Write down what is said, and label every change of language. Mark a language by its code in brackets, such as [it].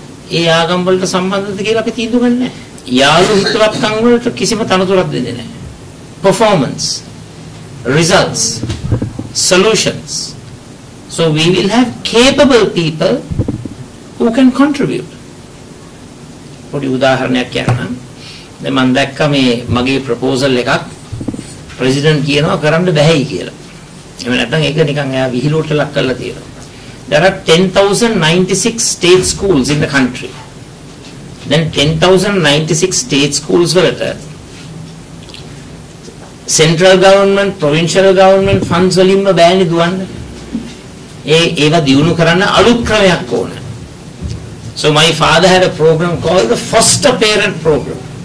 [si] ඒ ආගම් වලට සම්බන්ධද කියලා අපි තීන්දුව ගන්න නැහැ. යාළු හිතවත්කම් වලට කිසිම තනතුරක් දෙන්නේ නැහැ. [en] Performance, results, solutions. So we will have capable people who can contribute. [si] පොඩි උදාහරණයක් කියන්නම්. දැන් මම දැක්ක මේ මගේ ප්‍රපෝසල් එකක් ප්‍රෙසිඩන්ට් කියනවා කරන්න බැහැයි කියලා. එහෙම නැත්නම් ඒක නිකන් එයා විහිළුවට ලක් කරලා තියෙනවා. [en] There are 10,096 state schools in the country. Then 10,096 state schools were at central government, provincial government funds [si] වලින් බෑනේ දුවන්නේ. ඒව දියුණු කරන්න අලුත් ක්‍රමයක් ඕන. [en] So my father had a program called the foster parent program.